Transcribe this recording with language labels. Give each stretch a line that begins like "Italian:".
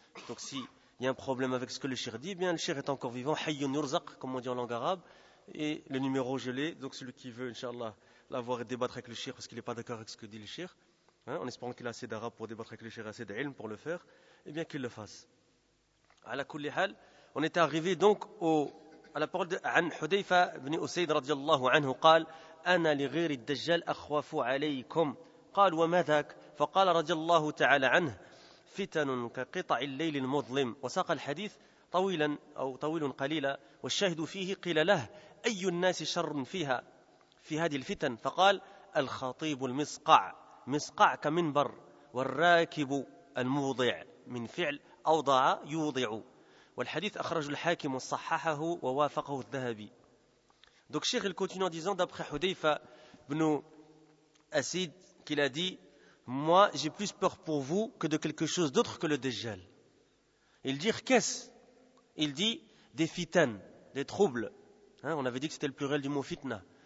French: Donc s'il y a un problème avec ce que le Cheikh dit, eh bien le Cheikh est encore vivant,
Arabic: hayyun yurzaq,
French: comme on dit en langue arabe, et le numéro je l'ai, donc celui qui veut, inshallah, l'avoir et débattre avec le Cheikh, parce qu'il n'est pas d'accord avec ce que dit le Cheikh, hein, en espérant qu'il a assez d'arabe pour débattre avec le Cheikh, assez d'ilm pour le faire, eh bien qu'il le fasse.
Arabic: على كل حال،
French: on est arrivé donc au à la parole de
Arabic: عن حذيفة بن أسيد رضي الله عنه قال أنا لغير الدجال أخوف عليكم. قال وماذاك؟ فقال رضي الله تعالى عنه فتن كقطع الليل المظلم. وساق الحديث طويلا أو طويل قليلا، والشاهد فيه قيل له أي الناس شر فيها في هذه الفتن؟ فقال الخطيب المسقع، مسقع كمنبر، والراكب الموضع من فعل أوضع يوضع. والحديث أخرج الحاكم وصححه ووافقه الذهبي.
French: Donc Cheikh il continue en disant, d'après Hudayfa ibn Asid, qu'il a dit, moi j'ai plus peur pour vous que de quelque chose d'autre que le Dajjal. Il dit, qu'est-ce? Il dit, des fitanes, des troubles. Hein, on avait dit que c'était le pluriel du mot fitna.